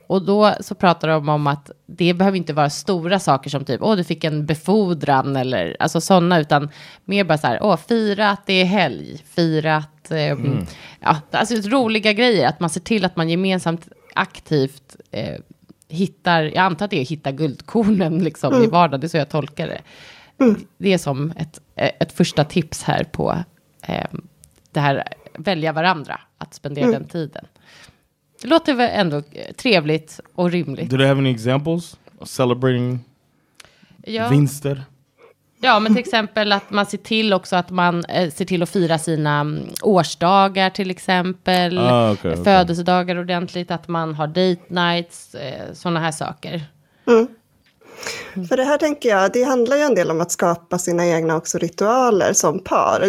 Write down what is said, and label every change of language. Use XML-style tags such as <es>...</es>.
<sv>Och då så pratar de om att det behöver inte vara stora saker som typ, åh du fick en befordran eller alltså sådana, utan mer bara så här, åh fira att det är helg, fira att, alltså roliga grejer, att man ser till att man gemensamt aktivt hittar, jag antar att det är att hitta guldkornen liksom i vardagen, det är så jag tolkar det. Det är som ett första tips här på det här välja varandra, att spendera den tiden. Det låter väl ändå trevligt och rimligt.</sv> <en>Do they have any examples of celebrating vinster?</en> <sv>Ja, men till exempel att man ser till också att man ser till att fira sina årsdagar till exempel.</sv> <en>Okay,</en> <sv>födelsedagar ordentligt, att man har date nights, sådana här saker. För det här tänker jag, det handlar ju en del om att skapa sina egna också ritualer som par.</sv>